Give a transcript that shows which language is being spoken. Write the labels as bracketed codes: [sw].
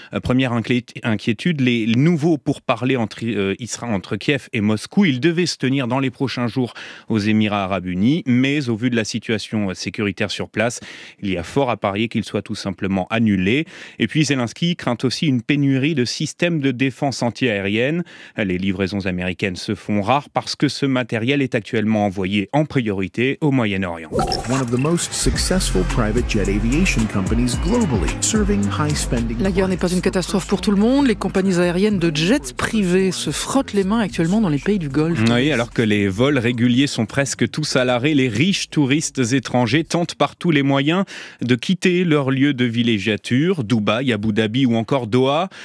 [fr] Première inquiétude, les nouveaux pourparlers entre Kiev et Moscou, ils devaient se tenir dans les prochains jours aux Émirats Arabes Unis, mais au vu de la situation sécuritaire sur place, il y a fort à parier qu'ils soient tout simplement annulés. Et puis Zelensky craint aussi une pénurie de systèmes de défense antiaérienne. Les livraisons américaines se font rares parce que ce matériel est actuellement envoyé en priorité au Moyen-Orient. [en] One of the most successful private jet aviation companies globally, serving high spending. [fr] La guerre n'est pas une catastrophe pour tout le monde. Les compagnies aériennes de jets privés se frottent les mains actuellement dans les pays du Golfe. Oui, alors que les vols réguliers sont presque tous à l'arrêt, les riches touristes étrangers tentent par tous les moyens de quitter leur lieu de villégiature, Dubaï, Abu Dhabi ou encore Doha.